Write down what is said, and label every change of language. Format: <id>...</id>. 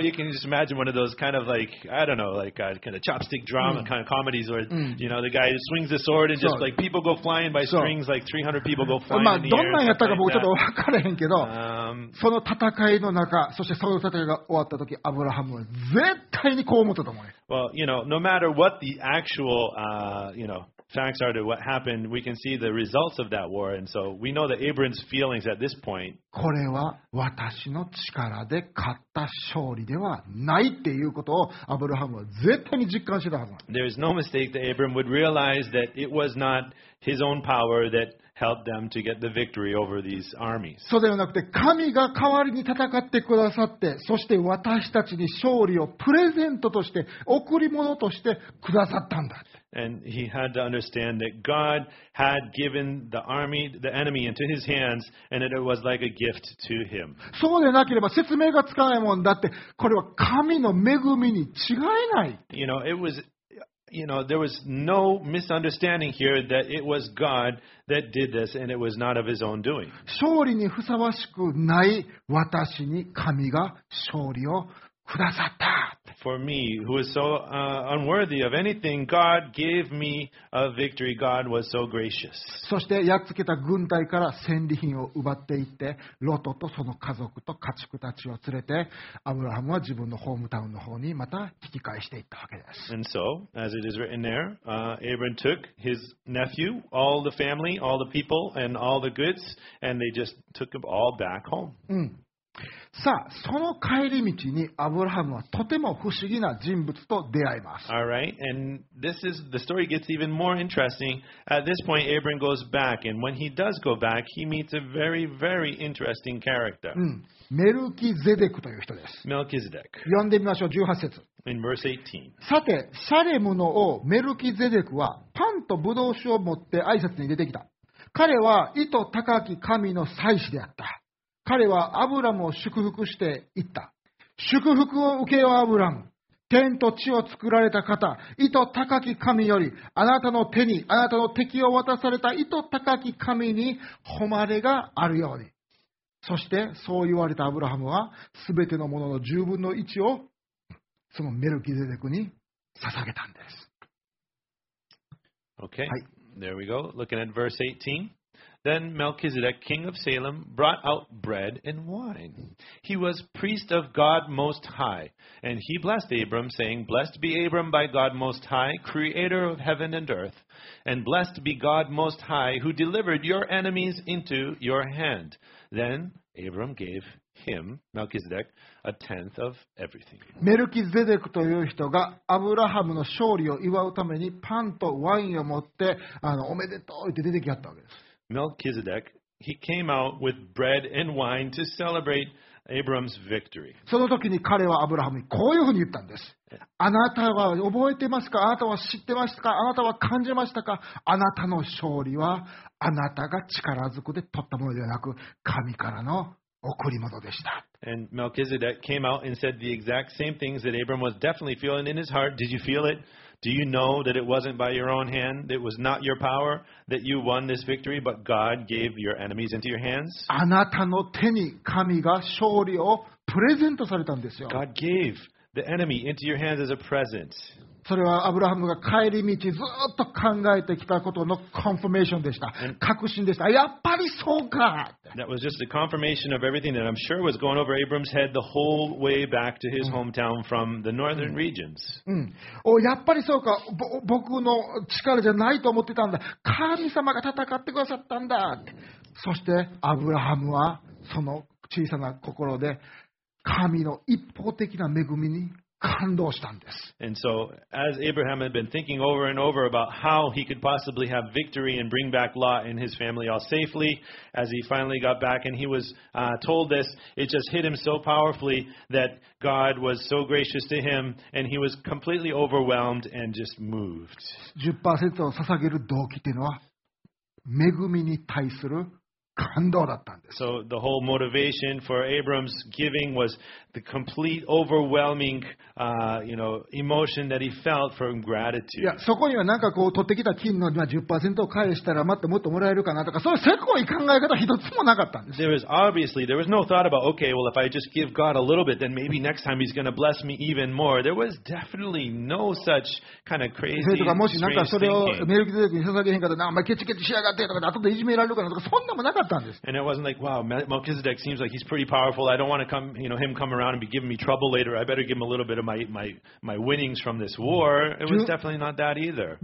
<en>You know, you can just imagine one of those kind of like, I don't know, like a kind of chopstick drama kind of comedies where, you know, the guy swings the sword and just like people go flying by strings, like 300 people go flying in the air.</en> <ja>どんなんやったか僕ちょっと分からへんけど、その戦いの中、そしてその戦いが終わった時、アブラハムは絶対にこう思ったと思う。</ja> <en>Well, you know, no matter what the actual, you know, facts are to what happened, we can see the results of that war. And so we know that Abram's feelings at this point.</en> <ja>これは私の力で勝った勝利ではないっていうことをアブラハムは絶対に実感してたはずなんです。</ja> <en>There is no mistake that Abram would realize that it was not his own power that helped them to get the victory over these armies.</en> <ja>そうではなくて神が代わりに戦ってくださって、そして私たちに勝利をプレゼントとして、贈り物としてくださったんだ。</ja> <en>And he had to understand that God had given the army, the enemy, into his hands, and that it was like a gift to him.</en> <ja>そうでなければ説明がつかないもんだって、これは神の恵みに違いない。</ja> <en>You know, it was, you know, there was no misunderstanding here that it was God that did this, and it was not of his own doing.</en> <ja>勝利にふさわしくない私に神が勝利をくださった。</ja> <en>For me, who was so unworthy of anything, God gave me a victory. God was so gracious.</en> <ja>そしてやっつけた軍隊から戦利品を奪っていって、ロトとその家族と家畜たちを連れて、アブラハムは自分のホームタウンの方にまた引き返していったわけです。</ja> <en>And so, as it is written there, Abram took his nephew, all the family, all the people, and all the goods, and they just took them all back home.</en> <ja>うん。さあその帰り道にアブラハムはとても不思議な人物と出会います。</ja> <en>All right, and this is the story gets even more interesting. At this point, Abram goes back, and when he does go back, he meets a very, very interesting character.</en> <ja>メルキゼデクという人です。</ja> <en>Melchizedek。</en> <ja>読んでみましょう。18節。</ja> <en>In verse 18.</en> <ja>さてサレムの王メルキゼデクはパンとブドウ酒を持って挨拶に出てきた。彼は意図高き神の祭司であった。彼はアブラムを祝福して言った。祝福を受けよアブラム。天と地を作られた方、意図高き神よりあなたの手にあなたの敵を渡された意図高き神に誉れがあるように。そしてそう言われたアブラハムはすべてのものの10分の1をそのメルキゼデクに捧げたんです。</ja> <en>Okay.</en> <ja>はい。</ja> <en>There we go. Looking at verse 18. Then Melchizedek, king of Salem, brought out bread and wine. He was priest of God Most High. And he blessed Abram, saying, Blessed be Abram by God Most High, creator of heaven and earth. And blessed be God Most High, who delivered your enemies into your hand. Then Abram gave him, Melchizedek, a tenth of everything.</en> <ja>Melchizedek という人がアブラハムの勝利を祝うためにパンとワインを持って、おめでとうって出てきはったわけです。</ja> <en>Melchizedek, he came out with bread and wine to celebrate Abram's victory.</en> <ja>その時に彼はアブラハムにこういうふうに言ったんです。あなたは覚えてますか？あなたは知ってましたか？あなたは感じましたか？あなたの勝利はあなたが力ずくで取ったものではなく神からの贈り物でした。</ja> <en>And Melchizedek came out and said the exact same things that Abram was definitely feeling in his heart. Did you feel it? Do you know that it wasn't by your own hand, it was not your power that you won this victory, but God gave your enemies into your hands?</en> <ja>あなたの手に神が勝利をプレゼントされたんですよ。</ja> <en>God gave the enemy into your hands as a present.</en> <ja>それはアブラハムが帰り道ずっと考えてきたことの confirmation でした。確信でした。やっぱりそうか。</ja> <en>That was just a confirmation of everything that I'm sure was going over Abram's head the whole way back to his hometown from the northern regions.</en> <ja>うん。お、やっぱりそうか。僕の力じゃないと思ってたんだ。神様が戦ってくださったんだ。そしてアブラハムはその小さな心で神の一方的な恵みに感動したんです。</ja> <en>And so, as Abraham had been thinking over and over about how he could possibly have victory and bring back Lot and his family all safely, as he finally got back and he was told this, it just hit him so powerfully that God was so gracious to him and he was completely overwhelmed and just moved.</en> <ja>10% を捧げる動機というのは恵みに対する感動だったんです。</ja> <en>So the whole motivation for Abram's giving was the complete overwhelming, emotion that he felt from gratitude.</en> <ja>いや、そこにはなんかこう取ってきた金の 10% を返したらまたもっともらえるかなとか、そういうせこい考え方一つもなかったんです。</ja> <en>There was obviously there was no thought about okay, well if I just give God a little bit, then maybe next time He's going to bless me even more. There was definitely no such kind of crazy strange thinking.</en> <ja>もしなんかそれをメルキゼデクに捧げへんかったら、お前ケチケチしやがってとか、後でいじめられるかなとか、そんなもなかったんです。</ja> <en>And it wasn't like wow, Melchizedek seems like he's pretty powerful. I don't want to come, you know, him come around and be giving me trouble later. I better give him a little bit of my winnings from this war. It was definitely not that either.</en>